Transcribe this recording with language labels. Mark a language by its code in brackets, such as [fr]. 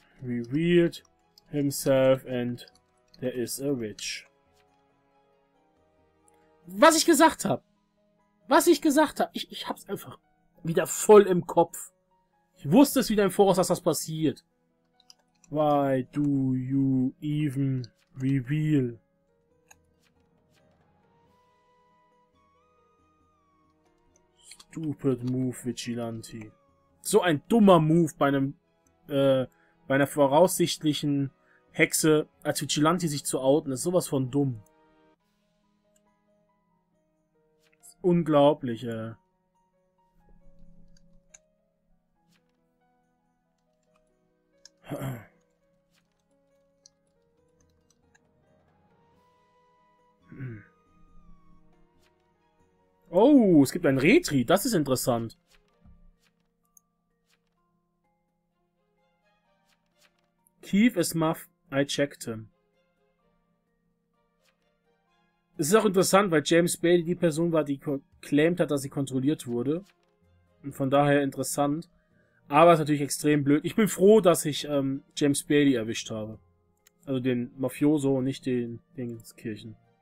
[en] revealed himself and there is a witch. [de] Was ich gesagt habe. Was ich gesagt habe. Ich hab's einfach wieder voll im Kopf. Ich wusste es wieder im Voraus, dass das passiert. [en] Why do you even reveal? Stupid move, Vigilante. [de] So ein dummer Move bei einem, bei einer voraussichtlichen Hexe, als Vigilante sich zu outen, ist sowas von dumm. Unglaublich, Oh, es gibt ein Retri, das ist interessant. [en] Keith is muff, I checked him. [de] Es ist auch interessant, weil James Bailey die Person war, die claimed hat, dass sie kontrolliert wurde. Und von daher interessant. Aber es ist natürlich extrem blöd. Ich bin froh, dass ich James Bailey erwischt habe. Also den Mafioso und nicht den Dingskirchen.